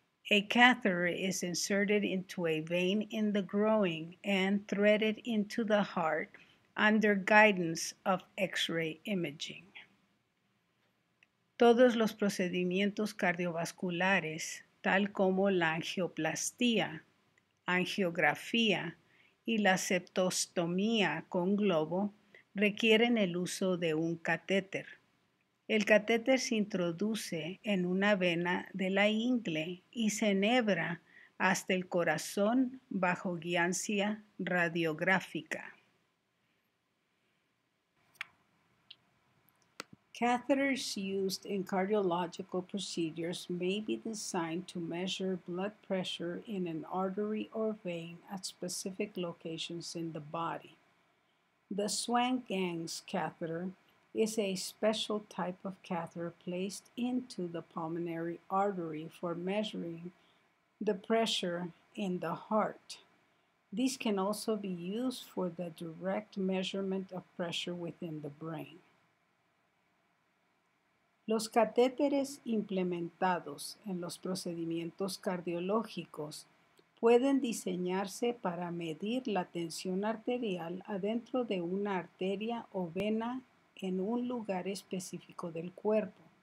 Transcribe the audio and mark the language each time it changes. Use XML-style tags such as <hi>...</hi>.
<en>A catheter is inserted into a vein in the groin and threaded into the heart under guidance of X-ray imaging.</en> <es>Todos los procedimientos cardiovasculares, tal como la angioplastia, angiografía y la septostomía con globo requieren el uso de un catéter. El catéter se introduce en una vena de la ingle y se enhebra hasta el corazón bajo guianza radiográfica.</es> <en>Catheters used in cardiological procedures may be designed to measure blood pressure in an artery or vein at specific locations in the body. The Swan-Ganz catheter is a special type of catheter placed into the pulmonary artery for measuring the pressure in the heart. These can also be used for the direct measurement of pressure within the brain.</en> <es>Los catéteres implementados en los procedimientos cardiológicos pueden diseñarse para medir la tensión arterial adentro de una arteria o vena en un lugar específico del cuerpo.</es>